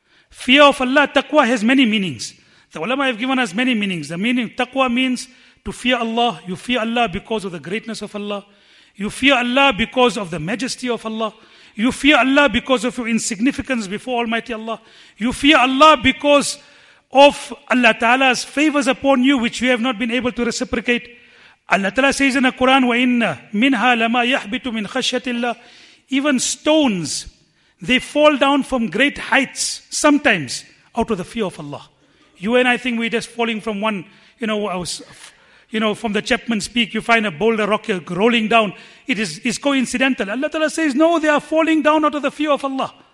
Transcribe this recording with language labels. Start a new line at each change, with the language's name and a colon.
English: Fear of Allah, taqwa has many meanings. The ulama have given us many meanings. The meaning taqwa means to fear Allah. You fear Allah because of the greatness of Allah. You fear Allah because of the majesty of Allah. You fear Allah because of your insignificance before Almighty Allah. You fear Allah because of Allah Ta'ala's favors upon you, which you have not been able to reciprocate. Allah Ta'ala says in the Quran,
Arabic: وَإِنَّ مِنْهَا لَمَا يَحْبِتُ مِنْ خَشْيَةِ اللَّهِ.
English: Even stones, they fall down from great heights, sometimes, out of the fear of Allah. You and I think we're just falling from one, from the Chapman's Peak, you find a boulder rock rolling down. It's coincidental. Allah Ta'ala says, no, they are falling down out of the fear of Allah.